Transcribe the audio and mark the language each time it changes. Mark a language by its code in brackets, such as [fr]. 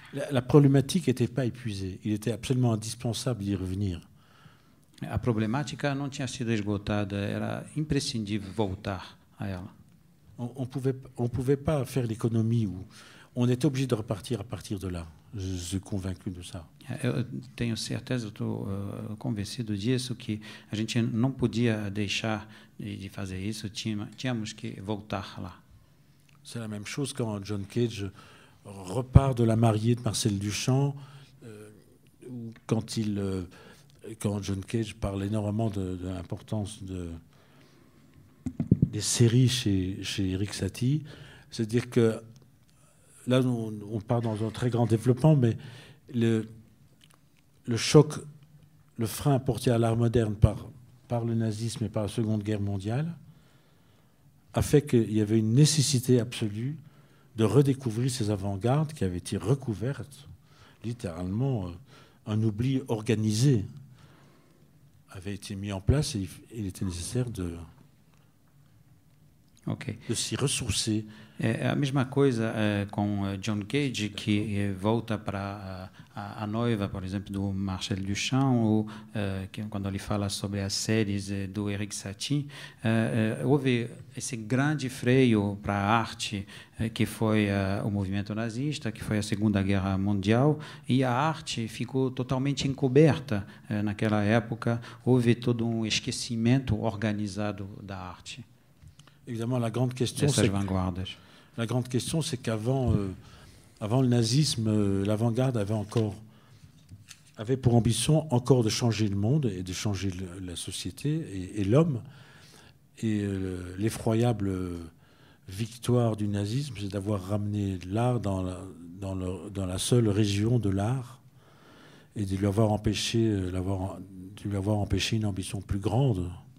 [fr] La problématique n'était pas épuisée. Il était absolument indispensable d'y revenir. [pt] La problématique non tinha sido esgotada. Era imprescindível voltar a ela. [fr] On pouvait pas faire l'économie. On était obligé de repartir à partir de là. Je suis convaincu de ça. [pt] Eu tenho certeza, estou convencido disso, que a gente não podia deixar de fazer isso. Tínhamos que voltar lá. [fr] C'est la même chose quand John Cage repart de la mariée de Marcel Duchamp, quand John Cage parle énormément de l'importance des séries chez Eric Satie. C'est-à-dire que là, on part dans un très grand développement, mais le choc, le frein apporté à l'art moderne par le nazisme et par la Seconde Guerre mondiale a fait qu'il y avait une nécessité absolue de redécouvrir ces avant-gardes qui avaient été recouvertes, littéralement, un oubli organisé avait été mis en place et il était nécessaire de Okay. De se ressourcer. [pt] É a mesma coisa com John Cage, que volta para a noiva, por exemplo, do Marcel Duchamp, ou que, quando ele fala sobre as séries do Eric Satie. Houve esse grande freio para a arte, que foi o movimento nazista, que foi a Segunda Guerra Mundial, e a arte ficou totalmente encoberta naquela época. Houve todo um esquecimento organizado da arte. [fr] Évidemment, la grande question, c'est qu'avant avant le nazisme, l'avant-garde avait pour ambition encore de changer le monde et de changer la société et l'homme. Et l'effroyable victoire du nazisme, c'est d'avoir ramené l'art dans la seule région de l'art et de lui avoir empêché une ambition plus grande.